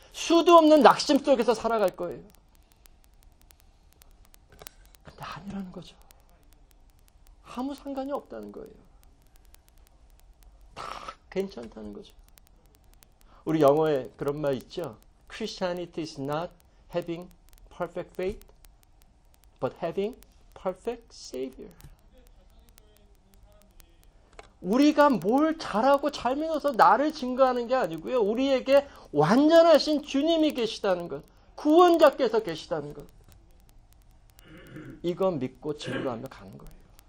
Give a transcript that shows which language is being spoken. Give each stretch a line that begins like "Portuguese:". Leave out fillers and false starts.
Korean: 수도 없는 낙심 속에서 살아갈 거예요. 근데 아니라는 거죠. 아무 상관이 없다는 거예요. 다 괜찮다는 거죠. 우리 영어에 그런 말 있죠?
English: Christianity is not having perfect faith, but having perfect savior.
Korean: 우리가 뭘 잘하고 잘 믿어서 나를 증거하는 게 아니고요. 우리에게 완전하신 주님이 계시다는 것, 구원자께서 계시다는 것. 이거 믿고 증거하며 가는 거예요.